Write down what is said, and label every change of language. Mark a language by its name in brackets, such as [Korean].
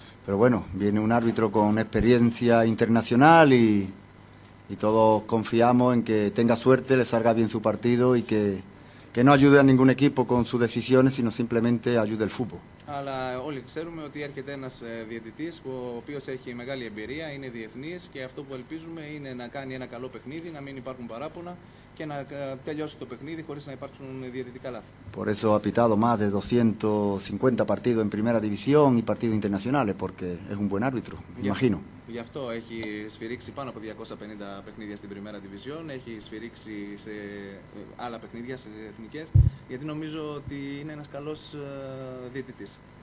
[Spanish] Pero bueno, viene un árbitro con experiencia internacional y todos confiamos en que tenga suerte, le salga bien su partido y que no ayude a ningún equipo con sus decisiones, sino simplemente ayude al fútbol. [Greek] Αλλά όλοι ξέρουμε ότι έρχεται ένας διαιτητής ο οποίος έχει μεγάλη εμπειρία, είναι διεθνής και αυτό που ελπίζουμε είναι να κάνει ένα καλό παιχνίδι, να μην υπάρχουν παράπονα και να τελειώσει το παιχνίδι χωρίς να υπάρξουν διαιτητικά λάθη. [Spanish] Por eso ha pitado más de 250 partidos en primera división y partidos internacionales porque es un buen árbitro, imagino. [Greek] Γι' αυτό έχει σφυρίξει πάνω από 250 παιχνίδια στην Primera División, έχει σφυρίξει σε άλλα παιχνίδια, σε εθνικές, γιατί νομίζω ότι είναι ένας καλός διαιτητής.